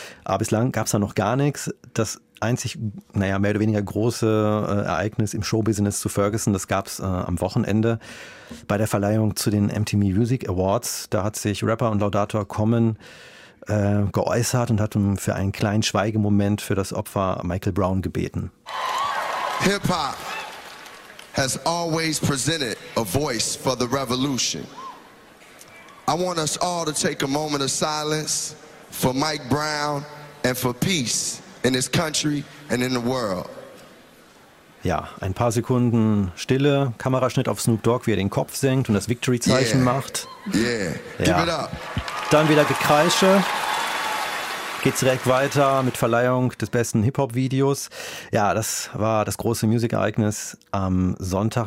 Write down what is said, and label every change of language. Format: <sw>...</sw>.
<de>Aber bislang gab es da noch gar nichts. Das einzig, naja, mehr oder weniger große Ereignis im Showbusiness zu Ferguson, das gab es am Wochenende bei der Verleihung zu den MTV Music Awards. Da hat sich Rapper und Laudator Common geäußert und hat für einen kleinen Schweigemoment für das Opfer Michael Brown gebeten.</de> <en>Hip-Hop has always presented a voice for the revolution. I want us all to take a moment of silence for Mike Brown and for peace in this country and in the world.</en> <de>Ja, ein paar Sekunden Stille, Kameraschnitt auf Snoop Dogg, wie er den Kopf senkt und das Victory-Zeichen macht.</de> <en>Yeah, ja. Give it up.</en> <de>Dann wieder Gekreische. Geht's direkt weiter mit Verleihung des besten Hip-Hop-Videos. Ja, das war das große Musikereignis am Sonntag.</de>